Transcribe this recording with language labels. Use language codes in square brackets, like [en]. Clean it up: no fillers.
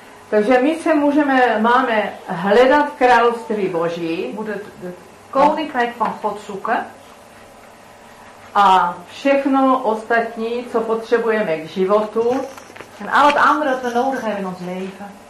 [cs] Takže my se můžeme, máme hledat království Boží, bude [nl] koninkrijk van God zoeken. [cs] A všechno ostatní, co potřebujeme k životu, [nl] en al het andere wat we nodig hebben in ons leven,